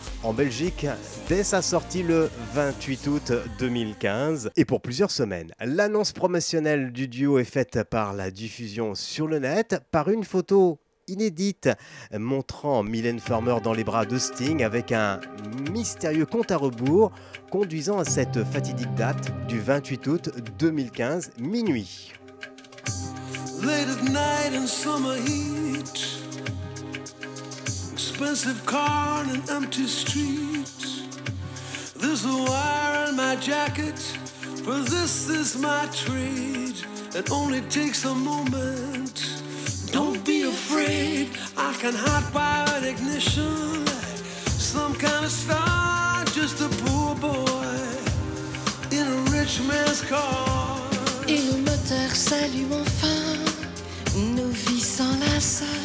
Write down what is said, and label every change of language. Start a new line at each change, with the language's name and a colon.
French: En Belgique, dès sa sortie le 28 août 2015, et pour plusieurs semaines, l'annonce promotionnelle du duo est faite par la diffusion sur le net, par une photo inédite montrant Mylène Farmer dans les bras de Sting avec un mystérieux compte à rebours conduisant à cette fatidique date du 28 août 2015, minuit.
English: Late at night in summer heat. Expensive car on an empty street. There's a wire in my jacket, for this is my trade. It only takes a moment. Don't be afraid, I can hotwire an ignition like some kind of star. Just a poor boy in a rich man's car.
French: Et le moteur s'allume enfin, nos vies s'enlacent.